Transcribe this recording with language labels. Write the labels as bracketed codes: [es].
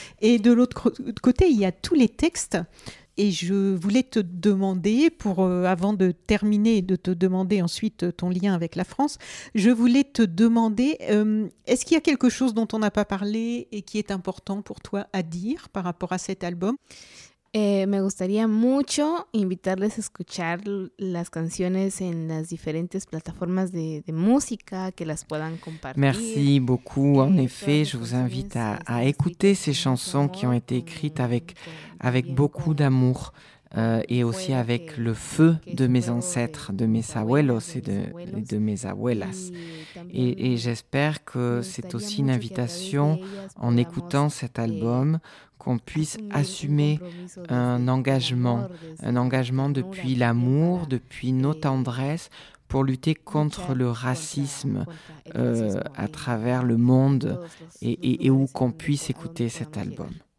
[fr] Et de l'autre côté, il y a tous les textes. Et je voulais te demander, avant de terminer et de te demander ensuite ton lien avec la France, je voulais te demander, est-ce qu'il y a quelque chose dont on n'a pas parlé et qui est important pour toi à dire par rapport à cet album ? [es] Me gustaría mucho invitarles a escuchar las canciones en las diferentes plataformas de música que las puedan compartir. [fr] Merci beaucoup. En effet, je vous invite à écouter ces chansons qui ont été écrites avec beaucoup d'amour et aussi avec le feu de mes ancêtres, de mes [es] abuelos [fr] et de mes [es] abuelas. [fr] Et j'espère que c'est aussi une invitation en écoutant cet album qu'on puisse assumer un engagement depuis l'amour, depuis nos tendresses, pour lutter contre le racisme à travers le monde et où qu'on puisse écouter cet album.